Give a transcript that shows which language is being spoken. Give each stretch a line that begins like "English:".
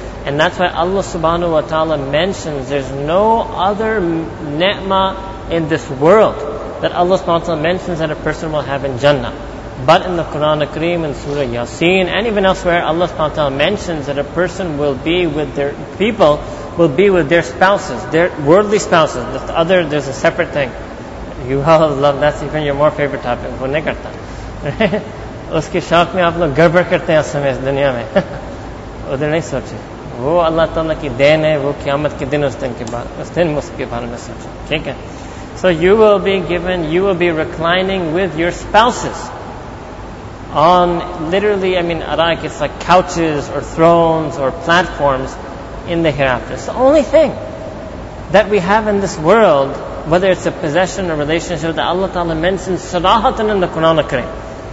English: And that's why Allah subhanahu wa ta'ala mentions there's no other ni'mah in this world that Allah subhanahu wa ta'ala mentions that a person will have in Jannah. But in the Qur'an al-Kareem, in Surah Yasin, and even elsewhere, Allah subhanahu wa ta'ala mentions that a person will be with their people, will be with their spouses, their worldly spouses. The other, there's a separate thing. You all love, that's even your more favorite topic.
Urdu: وہ نہیں کرتا۔ اسکے شوق میں آپ لوگ گڑبڑ کرتے ہیں اسمے اس دنیا میں۔ ادھر نہیں سوچے۔ وہ اللہ تعالیٰ کی دین ہے، وہ قیامت کے دن اس دن اسکے بارے میں سوچے۔ ٹھیک ہے؟
English: So you will be given, you will be reclining with your spouses. On literally, I mean, araik, it's like couches or thrones or platforms in the hereafter. It's the only thing that we have in this world, whether it's a possession or relationship, that Allah Ta'ala mentions sarahatan in the Quran al-Kareem.